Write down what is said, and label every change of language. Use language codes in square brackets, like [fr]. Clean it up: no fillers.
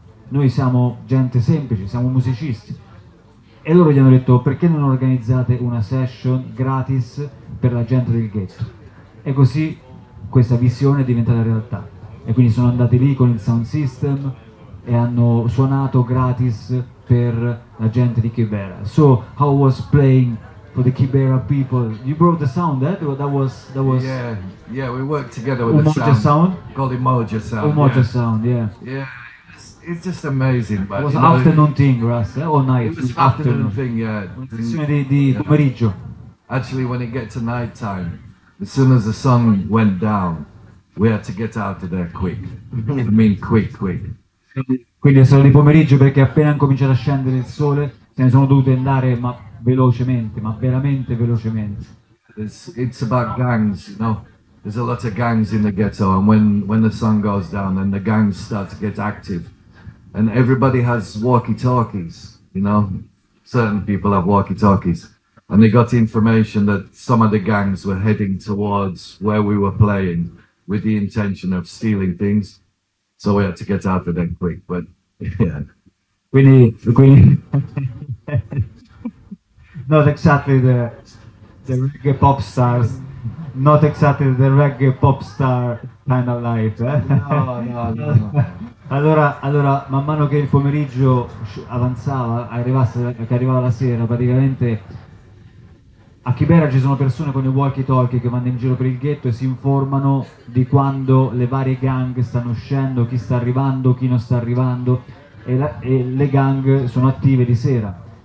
[it] Noi siamo gente semplice, siamo musicisti. E loro gli hanno detto: perché non organizzate una session gratis per la gente del ghetto? E così questa visione è diventata realtà. E quindi sono andati lì con il sound system e hanno suonato gratis per la gente di Kibera. [en] So how was playing for the Kibera people? You brought the sound, eh? That was yeah, we worked together with the sound. Umoja sound. Called Umoja sound. Umoja sound, yeah. Yeah, it's just amazing. But, it was an afternoon thing, Russ, eh? Or night. It was an afternoon thing, yeah. [it] Pomeriggio. [en] Actually, when it gets to night time, as soon as the sun went down, we had to get out of there quick. I mean, quick. [it] Quindi è stato di pomeriggio perché appena cominciato a scendere il sole, se ne sono dovute andare, ma velocemente, ma veramente velocemente. [en] It's about gangs, you know. There's a lot of gangs in the ghetto, and when the sun goes down, then the gangs start to get active, and everybody has walkie-talkies, you know. Certain people have walkie-talkies, and they got information that some of the gangs were heading towards where we were playing with the intention of stealing things. So we had to get out of there quick, but yeah. [it] Quindi [en] not exactly the reggae pop stars, not exactly the reggae pop star kind of life. No. [it] Allora, man mano che il pomeriggio avanzava, arrivava la sera, praticamente a Kibera ci sono persone con i walkie-talkie che vanno in giro per il ghetto e si informano di quando le varie gang stanno uscendo, chi sta arrivando, chi non sta arrivando, e le gang sono attive di sera.